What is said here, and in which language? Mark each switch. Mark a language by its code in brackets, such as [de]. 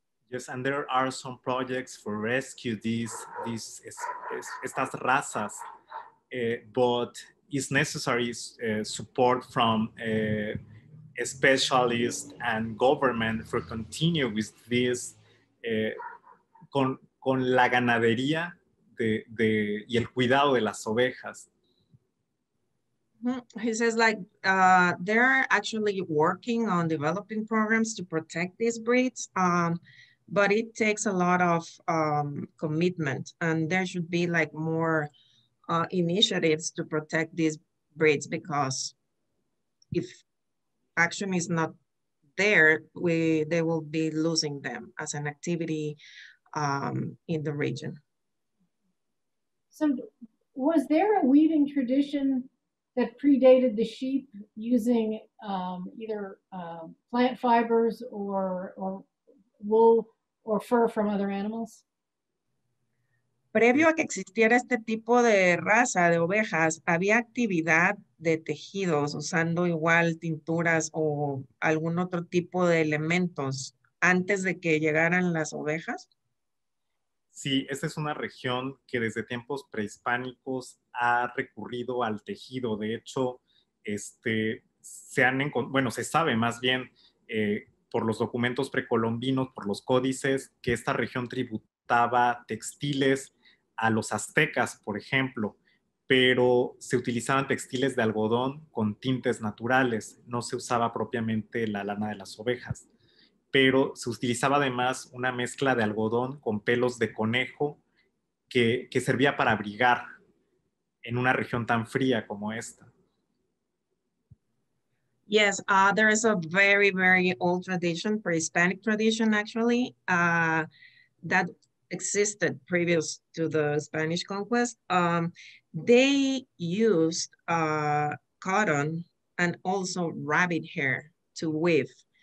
[en] Yes, and there are some projects for rescue these [es] estas razas, [en] but it's necessary support from specialists and government for continue with this. [es] Con la ganadería de y el cuidado de las ovejas. [en] He says like they're actually working on developing programs to protect these breeds, but it takes a lot of commitment, and there should be like more initiatives to protect these breeds, because if action is not there, they will be losing them as an activity in the region. So was there a weaving tradition that predated the sheep using either plant fibers or wool or fur from other animals? [es] Previo a que existiera este tipo de raza de ovejas, había actividad de tejidos usando igual tinturas o algún otro tipo de elementos antes de que llegaran las ovejas. Sí, esta es una región que desde tiempos prehispánicos ha recurrido al tejido. De hecho, se sabe más bien por los documentos precolombinos, por los códices, que esta región tributaba textiles a los aztecas, por ejemplo, pero se utilizaban textiles de algodón con tintes naturales. No se usaba propiamente la lana de las ovejas, pero se utilizaba además una mezcla de algodón con pelos de conejo que servía para abrigar en una región tan fría como esta. [en] Yes, there is a very, very old tradition, pre-Hispanic tradition actually, that existed previous to the Spanish conquest. They used cotton and also rabbit hair to weave.